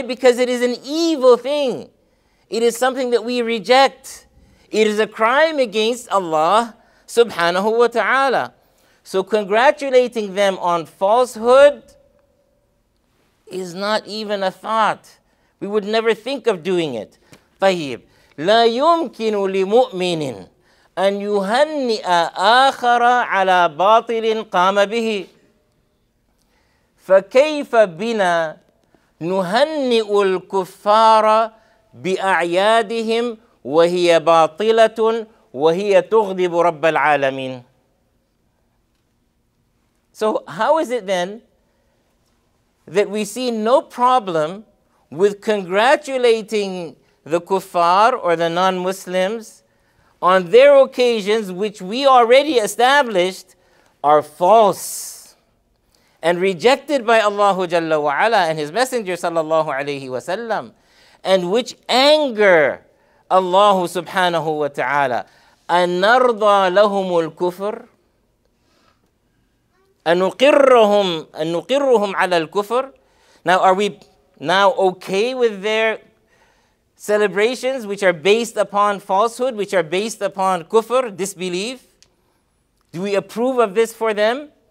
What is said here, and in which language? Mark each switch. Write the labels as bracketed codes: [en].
[en] Because it is an evil thing. It is something that we reject. It is a crime against Allah Subhanahu wa ta'ala. So congratulating them on falsehood is not even a thought. We would never think of doing it. [ar] طيب لا يمكن لمؤمن أن يهنئ آخر على باطل قام به فكيف بنا نهنئ الكفار بأعيادهم وهي باطلة وهي تغضب رب العالمين. [en] So how is it then that we see no problem with congratulating the kuffar or the non-Muslims on their occasions which we already established are false and rejected by Allah Jalla wa Ala and His Messenger Sallallahu Alaihi Wasallam, and which anger Allah Subhanahu wa Ta'ala? [ar] أنرضى لهم الكفر أنقرهم على الكفر. [en] Now are we now okay with their celebrations which are based upon falsehood, which are based upon kufr, disbelief? Do we approve of this for them?